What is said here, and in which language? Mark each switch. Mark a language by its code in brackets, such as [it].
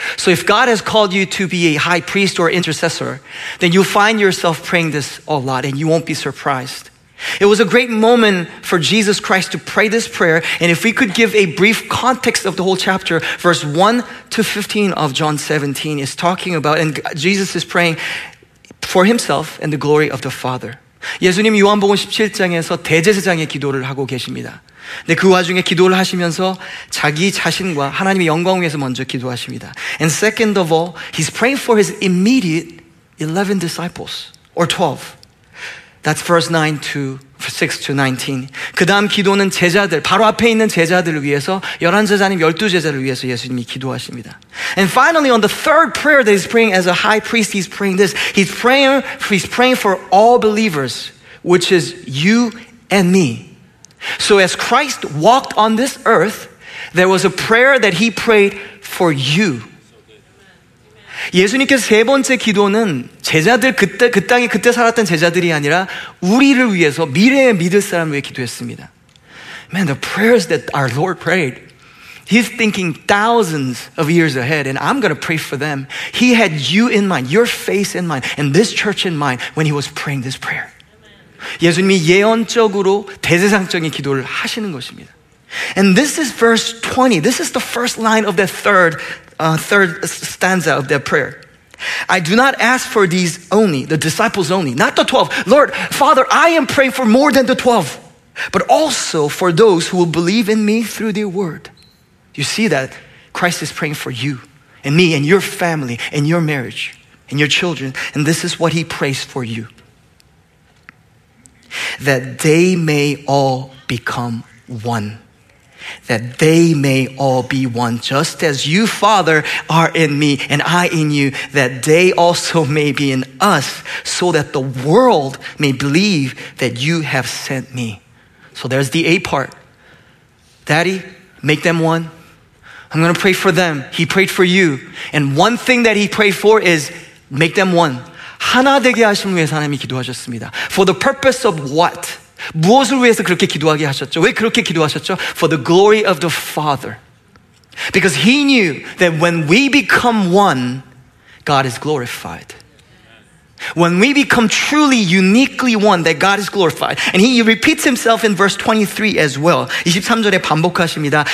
[en] So if God has called you to be a high priest or intercessor, then you'll find yourself praying this a lot and you won't be surprised. It was a great moment for Jesus Christ to pray this prayer. And if we could give a brief context of the whole chapter, verse 1 to 15 of John 17 is talking about, and Jesus is praying for himself and the glory of the Father. [ko] 예수님 요한복음 17장에서 대제사장의 기도를 하고 계십니다. 근데 그 와중에 기도를 하시면서 자기 자신과 하나님의 영광 위해서 먼저 기도하십니다. [en] And second of all, he's praying for his immediate 11 disciples, or 12. That's verse 9 to 6 to 19. [ko] 그 다음 기도는 제자들, 바로 앞에 있는 제자들을 위해서 11 제자님, 12 제자를 위해서 예수님이 기도하십니다. [en] And finally, on the third prayer that he's praying as a high priest, he's praying this. He's praying for all believers, which is you and me. So as Christ walked on this earth, there was a prayer that he prayed for you. [ko] 예수님께서 세 번째 기도는 제자들 그 땅에 그때 살았던 제자들이 아니라 우리를 위해서 미래에 믿을 사람을 위해 기도했습니다. [en] Man, the prayers that our Lord prayed, he's thinking thousands of years ahead, and I'm going to pray for them. He had you in mind, your face in mind, and this church in mind when he was praying this prayer. [ko] 예수님이 예언적으로 대제사장적인 기도를 하시는 것입니다. [en] And this is verse 20. This is the first line of the third stanza of that prayer. I do not ask for these only, the disciples only, not the 12. Lord, Father, I am praying for more than the 12, but also for those who will believe in me through their word. You see that? Christ is praying for you and me and your family and your marriage and your children. And this is what he prays for you. That they may all become one. That they may all be one, just as you, Father, are in me and I in you, that they also may be in us, so that the world may believe that you have sent me. So there's the A part. Daddy, make them one. I'm going to pray for them. He prayed for you. And one thing that he prayed for is make them one. [ko] 하나 되게 하시는 위해서 하나님이 기도하셨습니다. [en] For the purpose of what? [ko] 무엇을 위해서 그렇게 기도하게 하셨죠? 왜 그렇게 기도하셨죠? [en] For the glory of the Father. Because he knew that when we become one, God is glorified. When we become truly, uniquely one, that God is glorified. And he repeats himself in verse 23 as well. [ko] 23절에 반복하십니다.